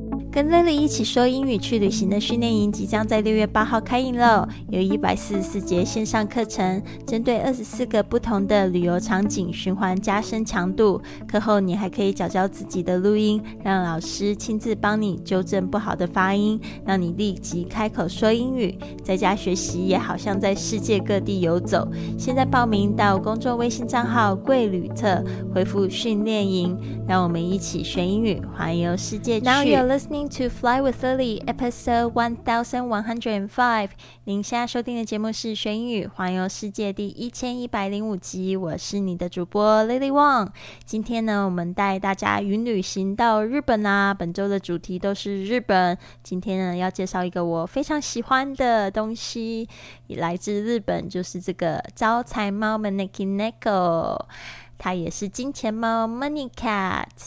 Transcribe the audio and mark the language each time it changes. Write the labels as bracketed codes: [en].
[zh] 跟 Lily 一起说英语去旅行的训练营即将在6月8号开营了，有144节线上课程，针对24个不同的旅游场景循环加深强度，课后你还可以矫矫自己的录音，让老师亲自帮你纠正不好的发音，让你立即开口说英语，在家学习也好像在世界各地游走。现在报名到公众微信账号贵旅特，回复训练营，让我们一起学英语环游世界去。 [en] Now you're listening to Fly with Lily episode 1105. [zh] 您现在收听的节目是学英语环游世界第1105集，我是你的主播 Lily Wong。今天呢，我们带大家云旅行到日本啊，本周的主题都是日本。今天呢，要介绍一个我非常喜欢的东西，来自日本，就是这个招财猫 Maneki Neko，它也是金钱猫 Money Cat。